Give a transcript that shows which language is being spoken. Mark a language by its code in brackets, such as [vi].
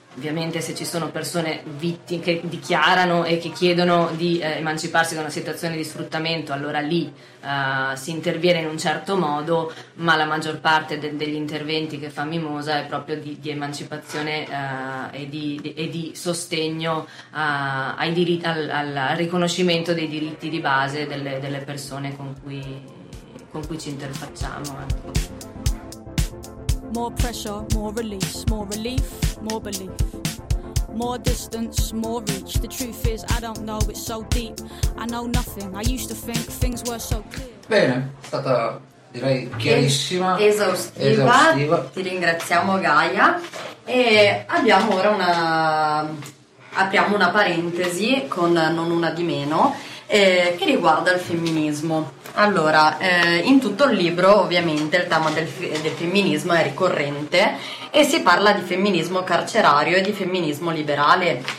[it] Ovviamente se ci sono persone vittime che dichiarano e che chiedono di emanciparsi da una situazione di sfruttamento, allora lì si interviene in un certo modo, ma la maggior parte degli interventi che fa Mimosa è proprio di emancipazione e di sostegno ai diritti, al riconoscimento dei diritti di base delle persone con cui ci interfacciamo. Ecco. [en] More pressure, more release, more relief, more belief. More distance, more reach. The truth is I don't know, it's so deep. I know nothing, I used to think things were so clear. [it] Bene, è stata direi chiarissima. Esaustiva. Ti ringraziamo Gaia. E abbiamo ora una... apriamo una parentesi con non una di meno che riguarda il femminismo. Allora, in tutto il libro ovviamente il tema del femminismo è ricorrente e si parla di femminismo carcerario e di femminismo liberale.